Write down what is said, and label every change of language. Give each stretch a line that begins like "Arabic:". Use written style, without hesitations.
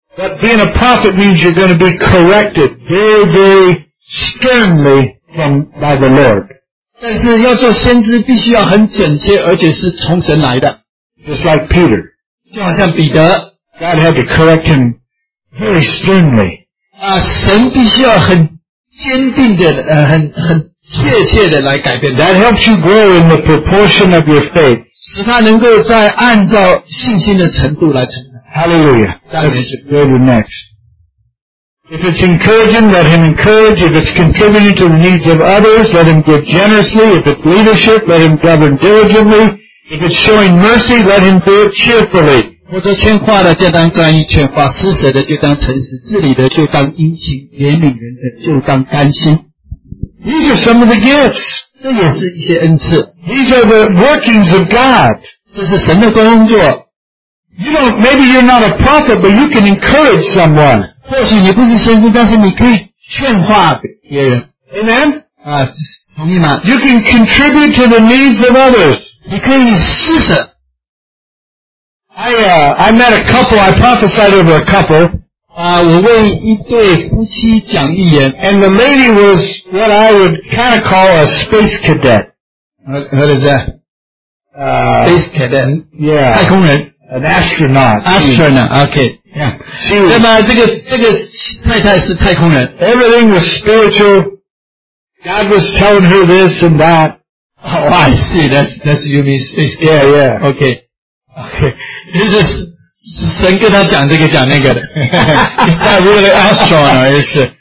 English: but being a prophet means you're going to be corrected very, very sternly by the Lord.
Chinese: 但是要做先知必须要很整洁，而且是从神来的。
English: Just like Peter.
Chinese: 就好像彼得,
English: God had to correct him very sternly.
Chinese: 神必须要很坚定的、很确切的来改变。
English: That helps you grow in the proportion of your faith.
Chinese: 使他能够在按照信心的程度来成长。
English: Hallelujah. Let's go next. If it's encouraging, let him encourage. If it's contributing to the needs of others, let him give generously. If it's leadership, let him govern diligently. If it's showing mercy, let him do it cheerfully.
Chinese: 或者劝化的就当专一劝化，施舍的就当诚实，治理的就当殷勤，怜悯人的就当甘心。
English: These are some of the gifts.
Chinese: 这也是一些恩赐。
English: These are the workings of God.
Chinese: 这是神的工作。
English: You know, maybe you're not a prophet, but you can encourage someone.
Chinese: 或许你不是先知，但是你可以劝化别人。
English: Amen?
Chinese: 啊，同意吗？
English: You can contribute to the needs of others.
Chinese: 你可以施舍。
English: I met a couple, I prophesied over a couple.
Chinese: 啊，我为一对夫妻讲预言。
English: And the lady was what I would kind of call a space cadet. What is that? Space cadet. Yeah.
Chinese: 太空人。
English: An astronaut. Astronaut, okay. Yeah.
Chinese: 那么这个太太是太空人。
English: Everything was spiritual. God was telling her this and that. Oh, I see. That's you mean space cadet. Yeah, yeah. Okay. Okay, this is
Chinese: 神跟他讲这个讲那个的。
English: It's not really astronaut, is it?